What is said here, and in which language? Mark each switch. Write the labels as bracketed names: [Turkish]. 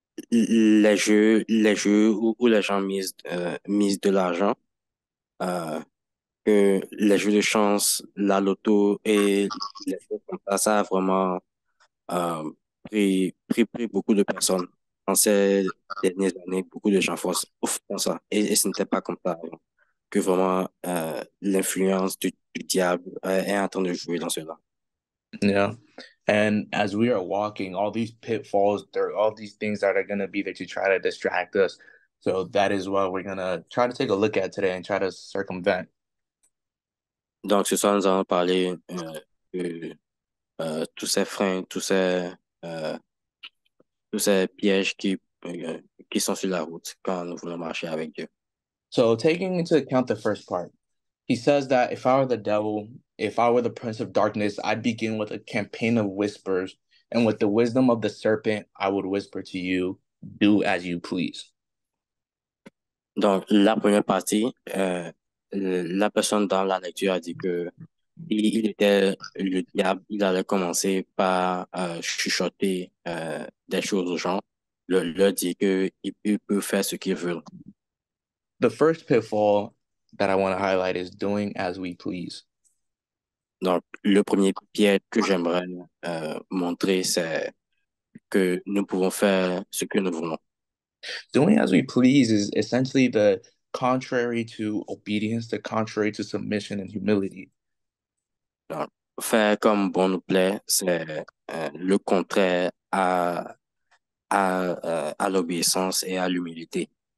[French] Les jeux où les gens misent de l'argent, que les jeux de chance, la loto et les jeux comme ça, ça a vraiment pris beaucoup de personnes. En ces dernières années, beaucoup de gens font ça. Et ce n'était pas comme ça avant, que vraiment l'influence du diable est en train de jouer dans cela. [English] Yeah. And as we are walking, all these pitfalls, there are all these things that are going to be there to try to distract us. So that is what we're going to try to take a look at today and try to circumvent. [French] Donc, ce soir, nous allons parler tous ces freins, tous ces pièges qui sont sur la route quand nous voulons marcher avec Dieu. [English] So taking into account the first part, he says that if I were the devil, if I were the prince of darkness, I'd begin with a campaign of whispers, and with the wisdom of the serpent, I would whisper to you, do as you please. [French] Donc, la première partie, la personne dans la lecture a dit que il était le diable, il allait commencer par chuchoter des choses aux gens, leur dire qu'il peut faire ce qu'il veut. [English] The first pitfall that I want to highlight is doing as we please. [French] Donc, le premier piège que j'aimerais montrer, c'est que nous pouvons faire ce que nous voulons. [English] Doing as we please is essentially the contrary to obedience, the contrary to submission and humility. [French] Donc, faire comme bon nous plaît, c'est le contraire à l'obéissance et à l'humilité.